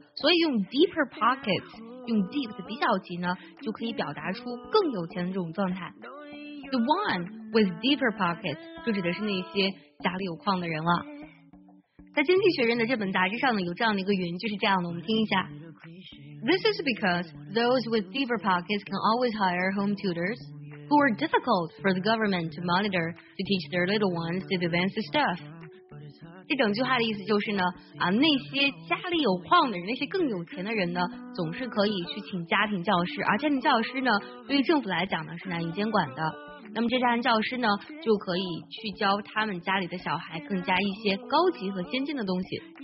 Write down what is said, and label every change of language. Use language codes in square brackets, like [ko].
[zh] 所以用 deeper pockets， 用 deep 的比较级呢，就可以表达出更有钱的这种状态。 [en] The one with deeper pockets [zh] 就指的是那些家里有矿的人了。在《经济学人》的这本杂志上呢，有这样的一个原因，就是这样的，我们听一下。 [en] This is because those with deeper pockets can always hire home tutors. who are difficult for the government to monitor to teach their little ones the advanced stuff. [zh] 这整句话的意思就是呢，啊，那些家里有矿的人，那些更有钱的人呢，总是可以去请家庭教师，而家庭教师呢，对于政府来讲呢，是难以监管的。那么这家庭教师呢，就可以去教他们家里的小孩更加一些高级和先进的东西。